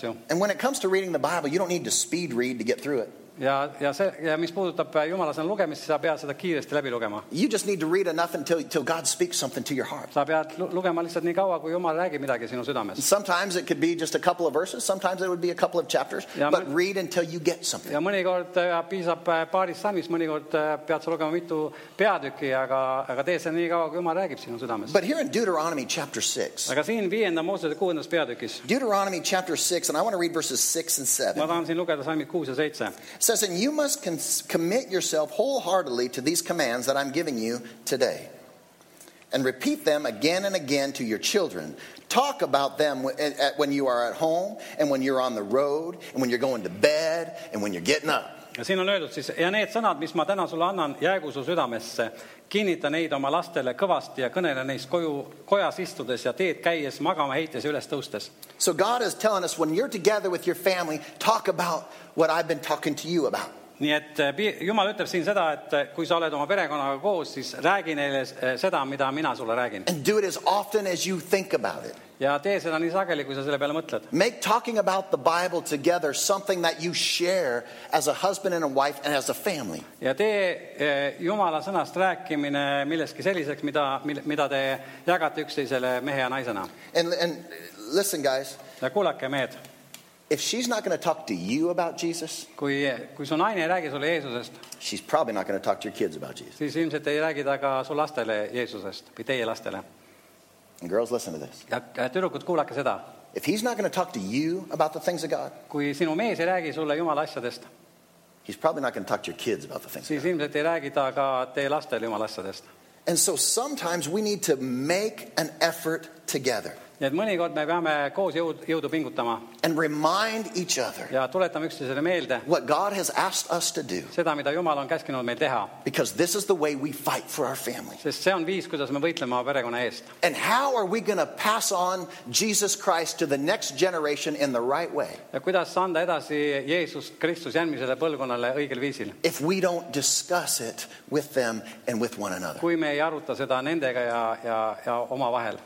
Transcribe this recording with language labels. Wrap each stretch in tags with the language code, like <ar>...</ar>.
<en>And when it comes to reading the Bible, you don't need to speed read to get through it.</en> <et>Ja mis puudutab jumalasõna lugemist, siis sa pead seda kiiresti läbi lugema.</et> <en>You just need to read enough until God speaks something to your heart.</en> <et>Sa pead lugema lihtsalt nii kaua, kui Jumal räägi midagi sinu südames.</et> <en>Sometimes it could be just a couple of verses, sometimes it would be a couple of chapters, but read until you get something.</en> <et>Ja mõnikord piisab paaris salmis, mõnikord pead sa lugema mitu peatükki, aga tee see nii kaua, kui Jumal räägib sinu südames.</et> <en>But here in Deuteronomy chapter 6.</en> <et>Aga siin viienda Moosese kuuendas peatükis.</et> <en>Deuteronomy chapter 6, and I want to read verses 6 and 7.</en> <et>Ma tahan siin lukeda salmid 6 ja 7.</et> <en>It says, and you must commit yourself wholeheartedly to these commands that I'm giving you today, and repeat them again and again to your children. Talk about them when you are at home, and when you're on the road, and when you're going to bed, and when you're getting up.</en> <et>Ja siin on öeldud siis, ja need sõnad, mis ma täna sulle annan, jäägu su südamesse, kinnita neid oma lastele kõvasti ja kõnele neist kojas istudes ja teed käies magama heites üles tõustes.</et> <en>So God is telling us, when you're together with your family, talk about what I've been talking to you about.</en> <et>Nii et Jumal ütleb siin seda, et kui sa oled oma perekonnaga koos, siis räägi neile seda, mida mina sulle räägin.</et> <en>And do it as often as you think about it.</en> <et>Ja tee seda nii sageli, kui sa selle peale mõtled.</et> <en>Make talking about the Bible together something that you share as a husband and a wife and as a family.</en> <et>Ja tee Jumala sõnast rääkimine milleski selliseks, mida te jagate üksteisele mehe ja naisena.</et> <en>And listen, guys.</en> <et>Ja kuulake, mehed.</et> <en>If she's not going to talk to you about Jesus,</en> <et>kui su naine ei räägi sulle Jeesusest,</et> <en>she's probably not going to talk to your kids about Jesus.</en> <et>Siis ilmselt ei räägi ta ka su lastele Jeesusest või teie lastele.</et> <en>And girls, listen to this.</en> <et>Ja tüdrukud, kuulake seda.</et> <en>If he's not going to talk to you about the things of God,</en> <et>kui sinu mees ei räägi sulle Jumala asjadest,</et> <en>he's probably not going to talk to your kids about the things of God.</en> <et>Siis ilmselt ei räägi ta ka teie lastele Jumala asjadest.</et> <en>And so sometimes we need to make an effort together.</en> <et>Ja mõnikord me peame koos jõudu pingutama.</et> <en>And remind each other.</en> <et>Ja tuletame üksteisele meelde.</et> <en>What God has asked us to do.</en> <et>Seda, mida Jumal on käskinud meil teha.</et> <en>Because this is the way we fight for our family.</en> <et>Sest see on viis, kuidas me võitleme perekonna eest.</et> <en>And how are we going to pass on Jesus Christ to the next generation in the right way?</en> <et>Ja kuidas anda edasi Jeesus Kristus järgmisele põlvkonnale õigel viisil?</et> <en>If we don't discuss it with them and with one another.</en> <et>Kui me ei aruta seda nendega ja oma vahel.</et>